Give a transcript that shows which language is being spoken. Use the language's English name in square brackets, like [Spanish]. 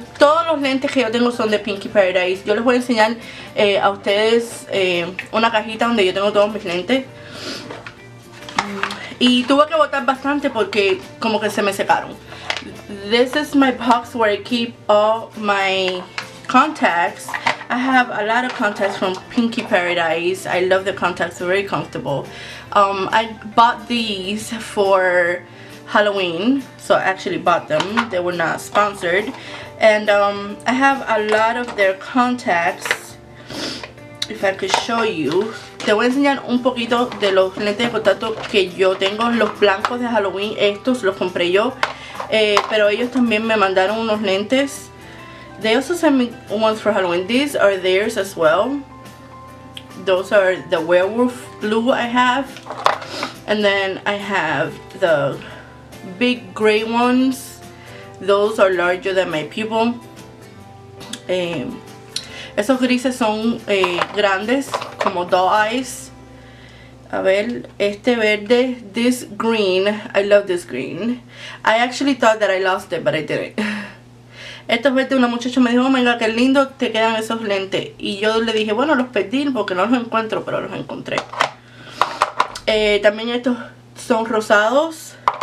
[Spanish] Todos los lentes que yo tengo son de Pinky Paradise. Yo les voy a enseñar a ustedes una cajita donde yo tengo todos mis lentes. Y tuve que botar bastante porque como que se me secaron. [English] This is my box where I keep all my contacts. I have a lot of contacts from Pinky Paradise. I love the contacts, they're very comfortable. I bought these for Halloween, so I actually bought them. They were not sponsored. And I have a lot of their contacts. If I could show you. [Spanish] Te voy a enseñar un poquito de los lentes de contacto que yo tengo. Los blancos de Halloween, estos los compré yo. Pero ellos también me mandaron unos lentes. [English] They also sent me ones for Halloween. These are theirs as well. Those are the werewolf blue I have. And then I have the big gray ones. Those are larger than my pupil. [Spanish] Esos grises son grandes, como doll eyes. A ver, este verde, [English] this green, I love this green. I actually thought that I lost it, but I didn't. [Spanish] Esto es verde, una muchacha me dijo, [English] oh my god, [Spanish] qué lindo te quedan esos lentes. Y yo le dije, bueno, los perdí porque no los encuentro, pero los encontré. También estos son rosados.